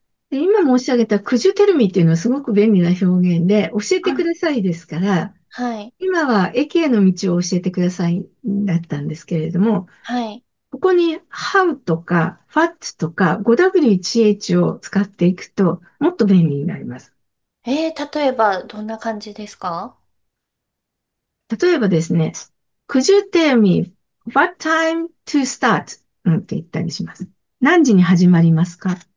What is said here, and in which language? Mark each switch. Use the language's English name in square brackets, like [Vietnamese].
[Japanese] で、今申し上げたくじゅテルミっていうのはすごく便利な表現で、教えてくださいですから、今は駅への道を教えてくださいだったんですけれども、ここに how とか what とか 5w1h を使っていくともっと便利になります。例えば、どんな感じですか？例えばですね、 [English] Could you tell me what time to start? [Japanese] なんて言ったりします。何時に始まりますか？